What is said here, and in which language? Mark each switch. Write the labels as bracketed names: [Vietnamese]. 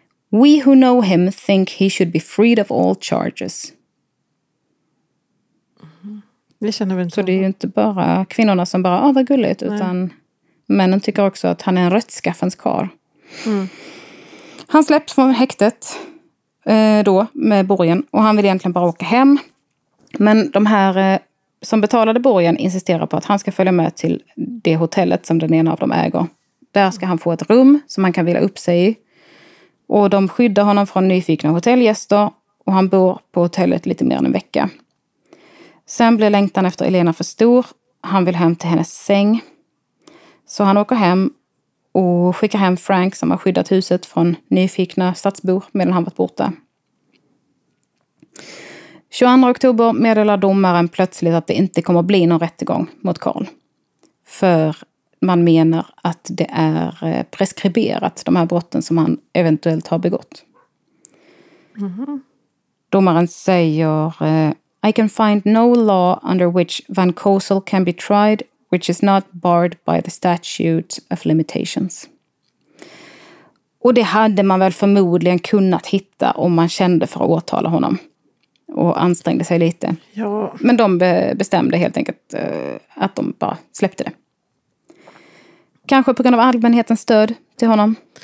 [English] We who know him think he should be freed of all charges." [Swedish] Det känner vi inte. Så det är ju inte bara kvinnorna som bara, vad gulligt, utan männen tycker också att han är en rättskaffens kar. Mm. Han släpps från häktet då med borgen och han vill egentligen bara åka hem. Men de här som betalade borgen insisterar på att han ska följa med till det hotellet som den ena av dem äger. Där ska han få ett rum som han kan vila upp sig i. Och de skyddar honom från nyfikna hotellgäster och han bor på hotellet lite mer än en vecka. Sen blir längtan efter Elena för stor. Han vill hem till hennes säng. Så han åker hem och skickar hem Frank som har skyddat huset från nyfikna stadsbor medan han varit borta. 22 oktober meddelar domaren plötsligt att det inte kommer bli någon rättegång mot Carl. För man menar att det är preskriberat, de här brotten som han eventuellt har begått. Mm-hmm. Domaren säger: [English] "I can find no law under which Van Kossel can be tried, which is not barred by the statute of limitations." [Swedish] Och det hade man väl förmodligen kunnat hitta om man kände för att åtala honom. Och ansträngde sig lite. Ja. Men de bestämde helt enkelt att de bara släppte det. Kanske på grund av allmänhetens stöd till honom.